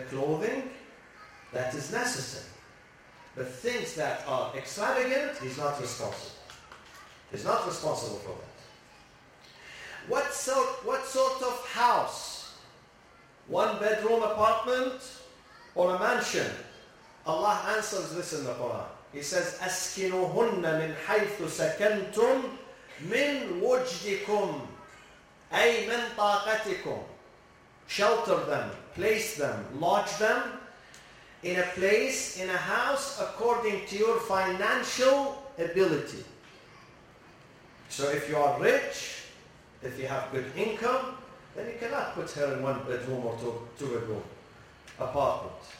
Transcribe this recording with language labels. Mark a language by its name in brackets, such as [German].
[English] The clothing that is necessary. The things that are extravagant, he's not responsible. He's not responsible for that. What sort of house? One bedroom apartment or a mansion? Allah answers this in the Quran. He says, [Arabic] أَسْكِنُهُنَّ مِنْ حَيْثُ سَكَنْتُمْ مِنْ وُجْدِكُمْ أَيْ مِنْ طَاقَتِكُمْ. [English] Shelter them, place them, lodge them in a place, in a house, according to your financial ability. So if you are rich, if you have good income, then you cannot put her in one bedroom or two bedroom apartment.